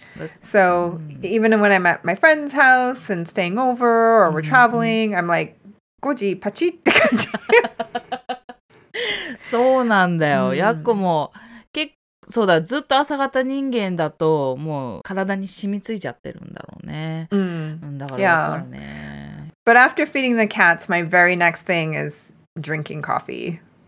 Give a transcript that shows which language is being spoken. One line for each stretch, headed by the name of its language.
English: So, even when I'm at my friend's house and staying over or we're traveling, I'm like, 5時パチって感じ。
Japanese: そうなんだよ。やっこも、そうだ、ずっと朝方人間だと、もう体に染みついちゃってるんだろうね。だからわかるね。
English: But after feeding the cats, my very next thing is drinking coffee.